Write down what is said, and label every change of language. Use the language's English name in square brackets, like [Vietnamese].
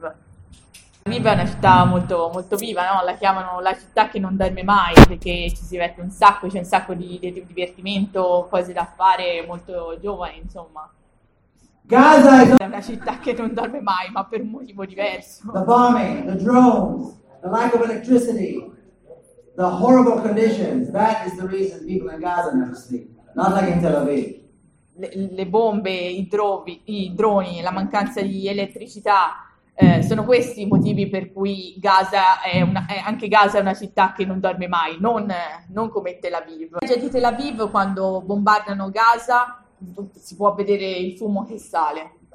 [Italian] Tel Aviv è una città molto, molto viva, no? La chiamano la città che non dorme mai, perché ci si diverte un sacco, c'è un sacco di divertimento, cose da fare, molto giovane, insomma. Gaza è una città che non dorme mai, ma per un motivo diverso. [English] The bombing, the drones, the lack of electricity, the horrible conditions, that is the reason people in Gaza never sleep, not like in Tel Aviv. [Italian] Le bombe, i droni, la mancanza di elettricità, sono questi i motivi per cui Gaza è una città che non dorme mai, non come Tel Aviv. Già di Tel Aviv, quando bombardano Gaza, si può vedere il fumo che sale.